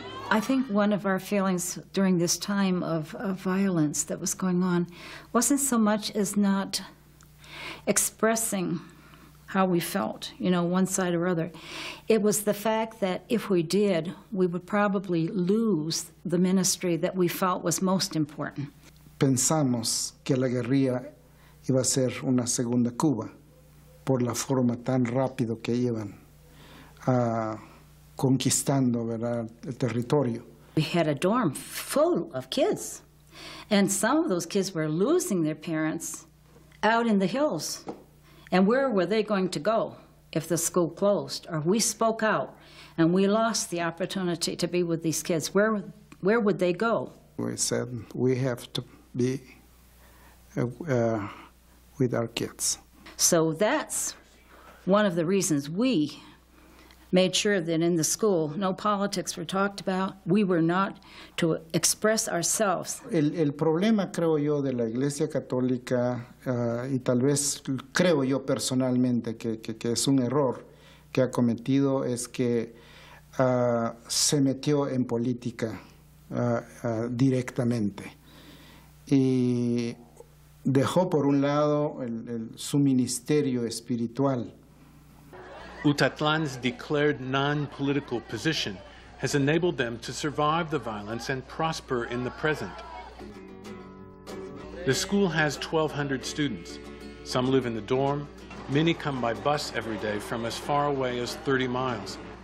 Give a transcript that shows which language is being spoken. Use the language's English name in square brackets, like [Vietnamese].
[English] I think one of our feelings during this time of violence that was going on wasn't so much as not expressing how we felt, you know, one side or other. It was the fact that if we did, we would probably lose the ministry that we felt was most important. [Spanish] Pensamos que la guerrilla iba a ser una segunda Cuba por la forma tan rápido que iban a conquistando, ¿verdad?, el territorio. [English] We had a dorm full of kids, and some of those kids were losing their parents out in the hills. And where were they going to go if the school closed? Or we spoke out and we lost the opportunity to be with these kids, where would they go? We said we have to be with our kids. So that's one of the reasons we made sure that in the school, no politics were talked about. We were not to express ourselves. [Spanish] El problema, creo yo, de la Iglesia Católica, y tal vez creo yo personalmente que es un error que ha cometido, es que se metió en política directamente. Y dejó por un lado su ministerio espiritual. [English] Utatlan's declared non-political position has enabled them to survive the violence and prosper in the present. The school has 1,200 students. Some live in the dorm. Many come by bus every day from as far away as 30 miles.